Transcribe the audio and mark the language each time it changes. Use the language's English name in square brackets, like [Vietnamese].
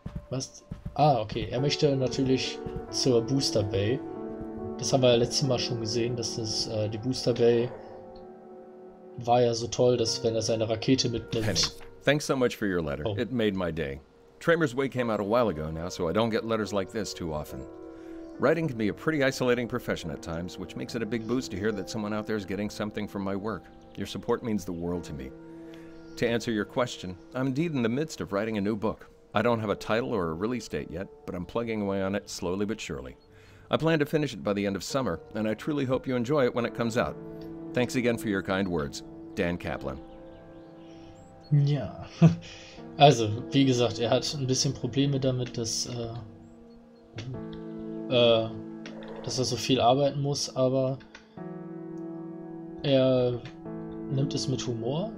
[German] was? Ah, okay. Er möchte natürlich zur Booster Bay. Das haben wir ja letztes Mal schon gesehen, dass das die Booster Bay war ja so toll, dass wenn er seine Rakete mitnimmt... [English] Penny, thanks so much for your letter. Oh. It made my day. Tramer's Way came out a while ago now, so I don't get letters like this too often. Writing can be a pretty isolating profession at times, which makes it a big boost to hear that someone out there is getting something from my work. Your support means the world to me. To answer your question, I'm indeed in the midst of writing a new book. I don't have a title or a release date yet, but I'm plugging away on it slowly but surely. I plan to finish it by the end of summer, and I truly hope you enjoy it when it comes out. Thanks again for your kind words. Dan Kaplan. [German] Ja, also, wie gesagt, er hat ein bisschen Probleme damit, dass er so viel arbeiten muss, aber er nimmt es mit Humor.